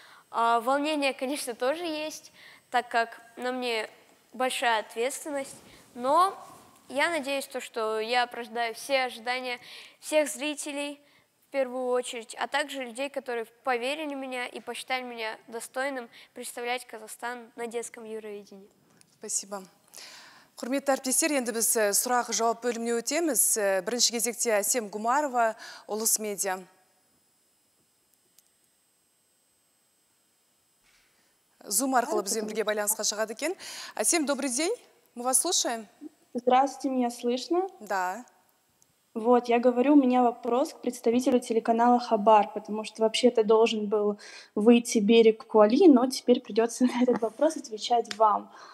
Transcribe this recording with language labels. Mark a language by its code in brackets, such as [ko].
[ru] Волнение, конечно, тоже есть, так как на мне большая ответственность, но я надеюсь, что я оправдаю все ожидания всех зрителей, в первую очередь, а также людей, которые поверили в меня и посчитали меня достойным представлять Казахстан на детском Евровидении. Спасибо. [kk] Құрметті әріптестер, енді біз сұрақ-жауап бөліміне өтеміз. Бірінші кезекте Әсем Гумарова, Олыс Медиа. Зум арқылы бізден бірге байланысқа шығады екен. Әсем, [ru] добрый день, мы вас слушаем. Здравствуйте, меня слышно? Да. Вот, я говорю, у меня вопрос к представителю телеканала «Хабар», потому что вообще-то должен был выйти «Берег Куали», но теперь придется на этот вопрос отвечать вам.